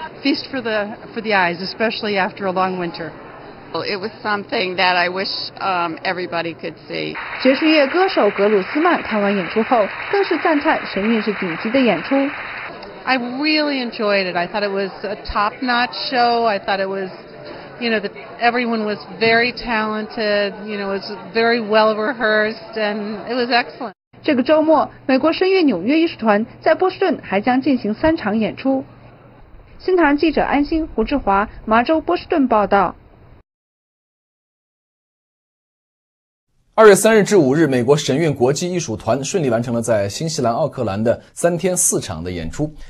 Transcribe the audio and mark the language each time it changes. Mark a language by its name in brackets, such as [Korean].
[English] Feast for the eyes, especially after a long winter. It was something that I wish everybody could see. [Chinese] 爵士乐歌手格鲁斯曼看完演出后，更是赞叹神韵是顶级的演出。 [English] I really enjoyed it. I thought it was a top-notch show. I thought it was, you know, that everyone was very talented. You know, it was very well rehearsed, and it was excellent. [Chinese] 这个周末，美国神韵纽约艺术团在波士顿还将进行三场演出。新唐记者安心、胡志华，麻州、波士顿报道。 2月3日至5日，美国神韵国际艺术团顺利完成了在新西兰奥克兰的三天四场的演出。